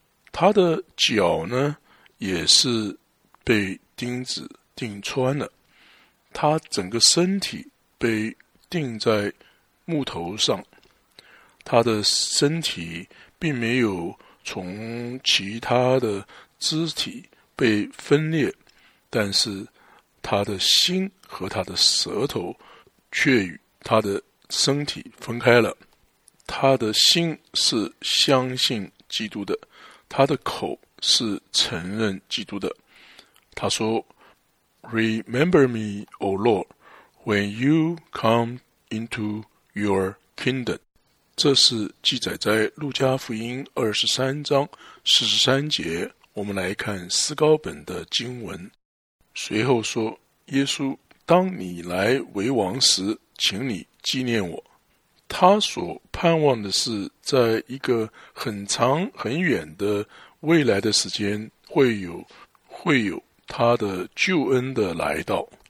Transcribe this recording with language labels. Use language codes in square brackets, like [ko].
[zh] 他的脚呢也是被钉子钉穿了，他整个身体被钉在木头上，他的身体并没有从其他的肢体被分裂，但是他的心和他的舌头却与他的身体分开了。他的心是相信基督的，他的口是承认基督的。他说 [en] Remember me, O Lord, when you come into your kingdom. [zh] 这是记载在路加福音23章43节。我们来看斯高本的经文，随后说，耶稣，当你来为王时，请你纪念我。他所盼望的是在一个很长很远的未来的时间，会有他的救恩的来到。